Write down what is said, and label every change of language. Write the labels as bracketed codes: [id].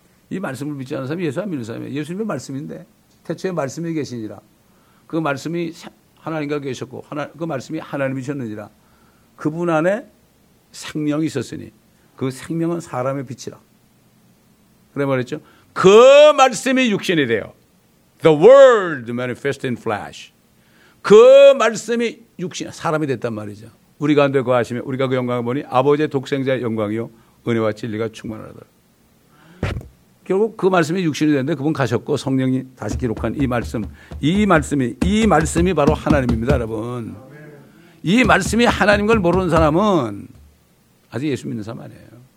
[ko] 이 말씀을 믿지 않는 사람이 예수 안 믿는 사람이에요. 예수님의 말씀인데 태초에 말씀이 계시니라. 그 말씀이 하나님과 계셨고 그 말씀이 하나님이셨느니라. 그분 안에 생명이 있었으니 그 생명은 사람의 빛이라. 그래 말했죠. 그 말씀이 육신이 돼요. [en] The word manifest in flesh. [ko] 그 말씀이 육신, 사람이 됐단 말이죠. 우리 가운데 거하시며 우리가 그 영광을 보니 아버지의 독생자의 영광이요. 은혜와 진리가 충만하더라. 결국 그 말씀이 육신이 됐는데 그분 가셨고 성령이 다시 기록한 이 말씀. 이 말씀이 바로 하나님입니다, 여러분. 이 말씀이 하나님인 걸 모르는 사람은 아직 예수 믿는 사람 아니에요.